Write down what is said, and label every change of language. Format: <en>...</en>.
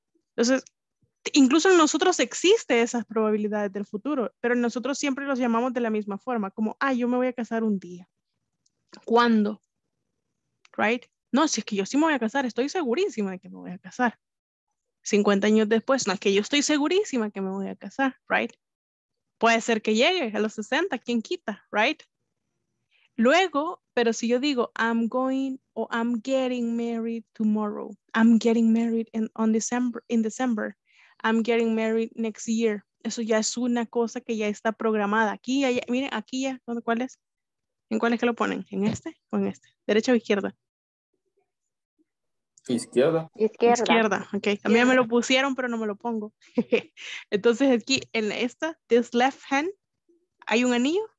<es>Entonces, incluso en nosotros existe esas probabilidades del futuro, pero nosotros siempre los llamamos de la misma forma, como, ah, yo me voy a casar un día. ¿Cuándo? ¿Right? No, si es que yo sí me voy a casar, estoy segurísima de que me voy a casar. 50 años después, no, es que yo estoy segurísima que me voy a casar, ¿right? Puede ser que llegue a los 60, ¿quién quita? ¿Right? Luego, pero si yo digo,</es> <en>I'm going o I'm getting married tomorrow, I'm getting married in December, I'm getting married next year.</en> <es>Eso ya es una cosa que ya está programada. Aquí, allá, miren, aquí ya, ¿cuál es? ¿En cuál es que lo ponen? ¿En este o en este? ¿Derecha o izquierda? Izquierda. Izquierda. Izquierda, ok. También me lo pusieron, pero no me lo pongo. Entonces aquí, en esta,</es> <en>this left hand,</en> <es>hay un anillo.</es>